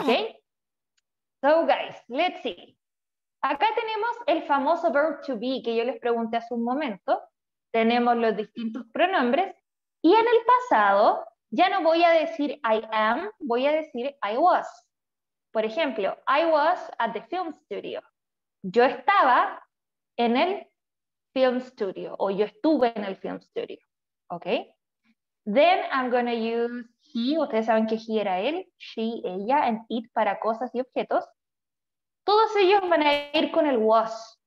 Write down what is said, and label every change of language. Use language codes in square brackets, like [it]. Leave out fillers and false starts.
[en] Ok. So, guys, let's see. [es] Acá tenemos el famoso verb to be que yo les pregunté hace un momento. Tenemos los distintos pronombres. Y en el pasado, ya no voy a decir [en] I am, [es] voy a decir [en] I was. [es] Por ejemplo, [en] I was at the film studio. [es] Yo estaba en el film studio o yo estuve en el film studio. Okay? [en] Then I'm going to use he. [es] Ustedes saben que he era él, she, ella, and it para cosas y objetos. Todos ellos van a ir con el was.